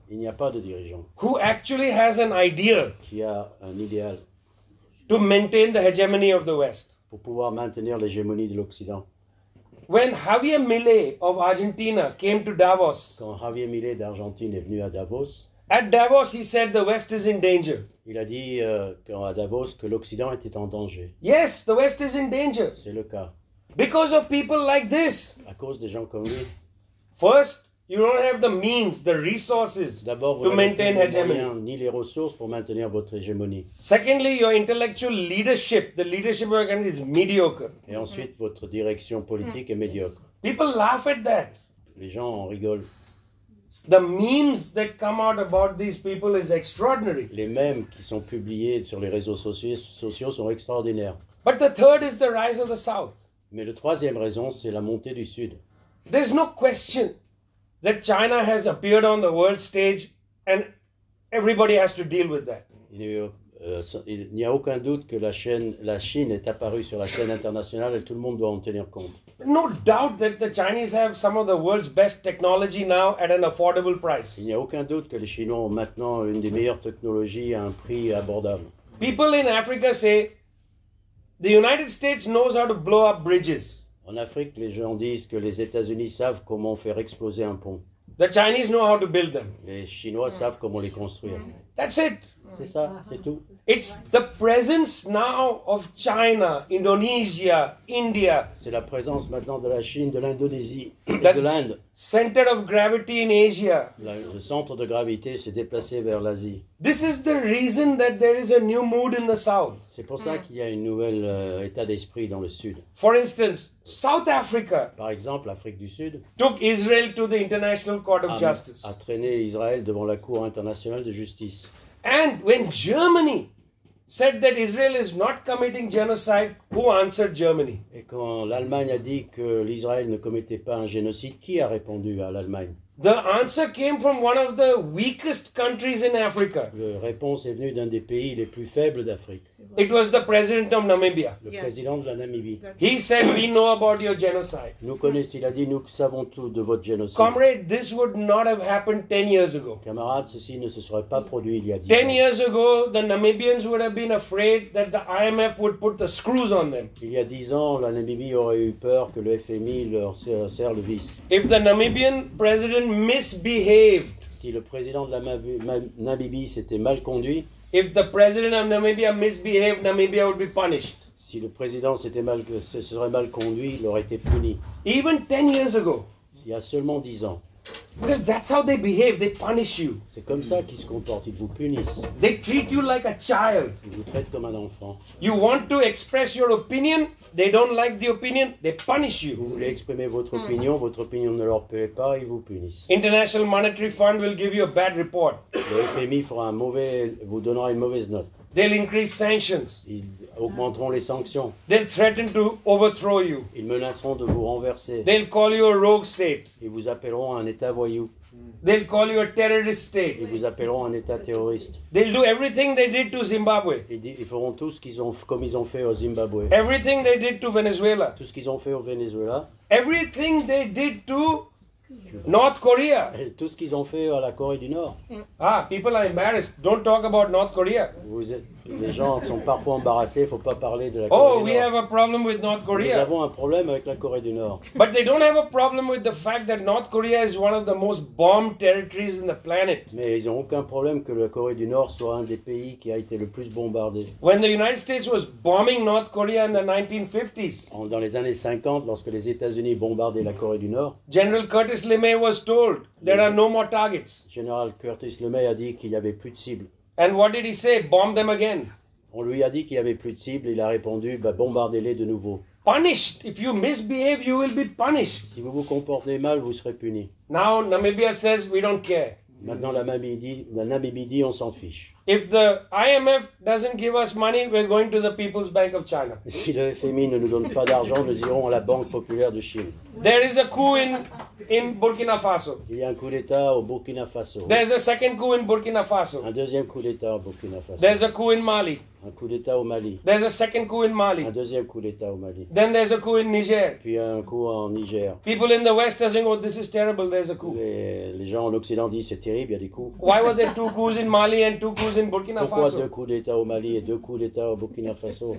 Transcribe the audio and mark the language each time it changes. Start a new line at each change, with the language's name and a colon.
French: Il n'y a pas de dirigeant.
English: Who actually has an idea?
French: Qui a un idéal.
English: To maintain the hegemony of the West.
French: Pour pouvoir maintenir l'hégémonie de l'Occident.
English: When Javier Milei of Argentina came to Davos.
French: Quand Javier Milei d'Argentine est venu à Davos.
English: At Davos, he said the West is in danger.
French: Il a dit à Davos que l'Occident était en danger.
English: Yes, the West is in danger.
French: C'est le cas.
English: Because of people like this.
French: À cause des gens comme lui.
English: First, you don't have the means, the resources to maintain hegemony.
French: Moyens, ni les ressources pour maintenir votre hégémonie.
English: Secondly, your intellectual leadership, the leadership of your country is mediocre.
French: Et ensuite, votre direction politique est médiocre.
English: Yes. People laugh at that.
French: Les gens en rigolent.
English: The memes that come out about these people is extraordinary.
French: Les mèmes qui sont publiés sur les réseaux sociaux sont extraordinaires.
English: But the third is the rise of the South.
French: Mais le troisième raison, c'est la montée du Sud.
English: There's no question that China has appeared on the world stage and everybody has to deal with that.
French: Il n'y a aucun doute que la Chine est apparue sur la scène internationale et tout le monde doit en tenir compte.
English: No doubt that the Chinese have some of the world's best technology now at an affordable price.
French: Il n'y a aucun doute que les Chinois ont maintenant une des meilleures technologies à un prix abordable.
English: People in Africa say the United States knows how to blow up bridges.
French: En Afrique, les gens disent que les États-Unis savent comment faire exploser un pont.
English: The Chinese know how to build them.
French: Les Chinois savent comment les construire.
English: That's it.
French: C'est ça, c'est tout.
English: It's the presence now of China, Indonesia, India.
French: C'est la présence maintenant de la Chine, de l'Indonésie et de l'Inde.
English: Center of gravity in Asia.
French: Le centre de gravité s'est déplacé vers l'Asie.
English: This is the reason that there is a new mood in the South.
French: C'est pour ça qu'il y a un nouvel état d'esprit dans le Sud.
English: For instance, South Africa.
French: Par exemple, l'Afrique du Sud.
English: Took Israel to the International Court of Justice.
French: A traîné Israël devant la Cour internationale de justice.
English: And when Germany said that Israel is not committing genocide, who answered Germany?
French: Et quand l'Allemagne a dit que l'Israël ne commettait pas un génocide, qui a répondu à l'Allemagne?
English: The answer came from one of the weakest countries in Africa.
French: La réponse est venue d'un des pays les plus faibles d'Afrique.
English: It was the president of Namibia.
French: Le président de la Namibie.
English: He said, "We know about your genocide."
French: Nous connaissons. Il a dit, nous savons tout de votre génocide.
English: Comrade, this would not have happened 10 years ago.
French: Camarade, ceci ne se serait pas produit il y a 10 ans.
English: 10 years ago, the Namibians would have been afraid that the IMF would put the screws on them.
French: Il y a 10 ans, la Namibie aurait eu peur que le FMI leur serre le vis.
English: If the Namibian president misbehaved.
French: Si le président de la Namibie s'était mal conduit.
English: If the president of Namibia misbehaved, Namibia would be punished.
French: Si le président s'était mal, se serait mal conduit, il aurait été puni.
English: Even 10 years ago.
French: Il y a seulement 10 ans.
English: Because that's how they behave, they punish you.
French: C'est comme ça qu'ils se comportent, ils vous punissent.
English: They treat you like a child.
French: Ils vous traitent comme un enfant.
English: You want to express your opinion, they don't like the opinion, they punish you.
French: Vous voulez exprimer votre opinion ne leur plaît pas, ils vous punissent.
English: International Monetary Fund will give you a bad report.
French: Le FMI vous donnera une mauvaise note.
English: They'll increase sanctions.
French: Ils augmenteront les sanctions.
English: They'll threaten to overthrow you.
French: Ils menaceront de vous renverser.
English: They'll call you a rogue state.
French: Ils vous appelleront un état voyou.
English: They'll call you a terrorist state.
French: Ils vous appelleront un état terroriste.
English: They'll do everything they did to Zimbabwe.
French: Ils feront tout ce qu'ils ont comme ils ont fait au Zimbabwe.
English: Everything they did to Venezuela.
French: Tout ce qu'ils ont fait au Venezuela.
English: Everything they did to North Korea.
French: Et tout ce qu'ils ont fait à la Corée du Nord.
English: Ah, people are embarrassed. Don't talk about North Korea.
French: Les gens sont parfois embarrassés. Faut pas parler de la Corée du Nord.
English: Oh, we have a problem with North Korea.
French: Nous avons un problème avec la Corée du Nord.
English: But they don't have a problem with the fact that North Korea is one of the most bombed territories in the planet.
French: Mais ils ont aucun problème que la Corée du Nord soit un des pays qui a été le plus bombardé.
English: When the United States was bombing North Korea in the 1950s.
French: Dans les années 50, lorsque les États-Unis bombardaient la Corée du Nord.
English: General Curtis LeMay was told there are no more targets.
French: Général Curtis LeMay a dit qu'il y avait plus de cibles.
English: And what did he say? Bomb them again.
French: On lui a dit qu'il y avait plus de cibles. Il a répondu, bombardez-les de nouveau.
English: Punished. If you misbehave, you will be punished.
French: Si vous vous comportez mal, vous serez puni.
English: Now Namibia says we don't care.
French: Maintenant la Namibie dit, on s'en fiche.
English: If the IMF doesn't give us money, we're going to the People's Bank of China.
French: Si le FMI ne nous donne pas d'argent, nous irons à la Banque Populaire de Chine.
English: There is a coup in Burkina Faso.
French: Il y a un coup d'État au Burkina Faso.
English: There's a second coup in Burkina Faso.
French: Un deuxième coup d'État au Burkina Faso.
English: There's a coup in Mali.
French: Un coup d'État au Mali.
English: There's a second coup in Mali.
French: Un deuxième coup d'État au Mali.
English: Then there's a coup in Niger.
French: Puis un coup en Niger.
English: People in the West are saying, "Oh, this is terrible. There's a coup."
French: Les gens en Occident disent, c'est terrible, il y a des coups.
English: Why were there two coups in Mali and two coups in Burkina
French: Pourquoi
English: Faso?
French: Deux coups d'État au Mali et deux coups d'État au Burkina Faso?